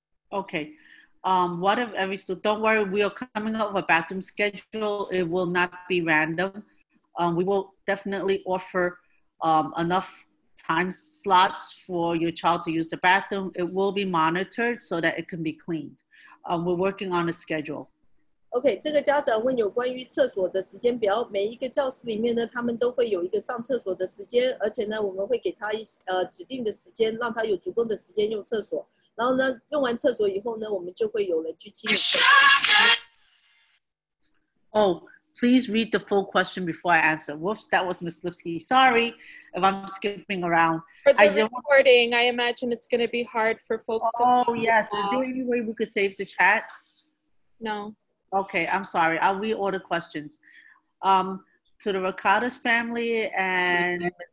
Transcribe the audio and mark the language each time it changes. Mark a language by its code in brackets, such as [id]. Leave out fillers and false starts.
[en] Okay. What if every student, don't worry, we are coming up with a bathroom schedule. It will not be random. We will definitely offer enough time slots for your child to use the bathroom. It will be monitored so that it can be cleaned. We're working on a schedule. [zh] Okay, 这个家长问有关于厕所的时间表。每一个教室里面呢，他们都会有一个上厕所的时间，而且呢，我们会给他指定的时间，让他有足够的时间用厕所。然后呢，用完厕所以后呢，我们就会有人去清理。 [en] Oh, please read the full question before I answer. Whoops, that was Ms. Lipsky. Sorry if I'm skipping around. For the recording, I imagine it's going to be hard for folks to... Oh, yes. Is there any way we could save the chat? No. Okay, I'm sorry. I'll reorder questions. To the Ricardas family and Ms.